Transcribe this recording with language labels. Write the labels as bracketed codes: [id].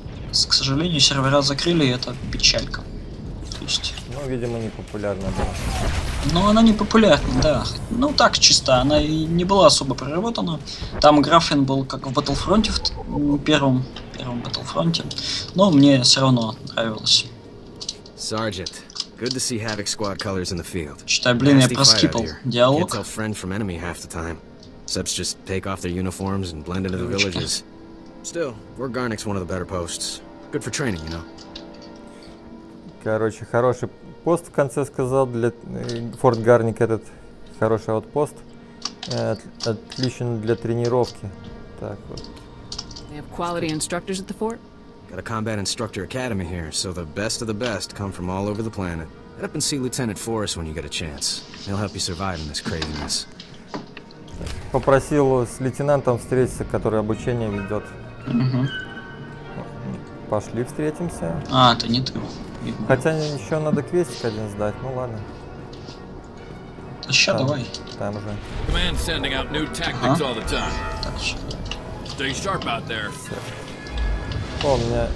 [ru] К сожалению, сервера закрыли, и это печалька. То есть... Ну, видимо, не популярна была. Ну, она не популярна, да. Ну так чисто, она и не была особо проработана. Там графин был как в Battlefront, в первом Battlefront. Но мне все равно нравилось. [en] Sergeant, good to see Havoc squad colors in the field. [ru] Читай, блин, я проскипал диалог. [en] Can't tell friend from enemy half the time. Seps just take off their uniforms and blend into the villages. Still, we're Garnick's one of the better posts. Good for training, you know. [ru] Короче, хороший пост в конце сказал для Форт Гарник этот хороший аутпост. Отличен для тренировки. Так вот. [en] Я have quality instructors at the fort? Got a combat instructor academy here, so the best of the best come from all over the planet. Head up and see Lieutenant Forrest when you get a chance. He'll help you survive in this craziness. [ru] Попросил с лейтенантом встретиться, который обучение ведет. Пошли, встретимся. А, это не ты. Хотя еще надо квестик один сдать, ну ладно. А сейчас давай. Там же. О, у меня...